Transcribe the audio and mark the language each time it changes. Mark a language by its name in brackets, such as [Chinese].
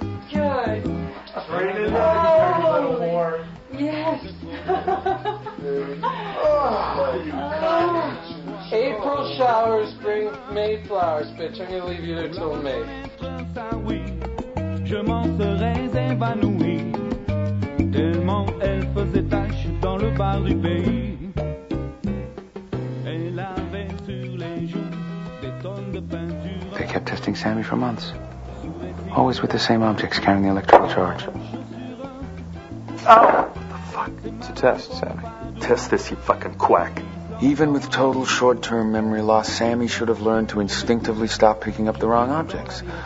[English] Good. Yes. April showers bring... Mayflowers, bitch. I'm going to leave you there till May. [French] Je m'en serais évanoui, tellement elle faisait tache dans le bar du pays. Elle avait sur les joues des tonnes de peinture. [English] They kept testing Sammy for months. Always with the same objects carrying the electrical charge. Oh! It's a test, Sammy. Test this, you fucking quack. Even with total short-term memory loss, Sammy should have learned to instinctively stop picking up the wrong objects.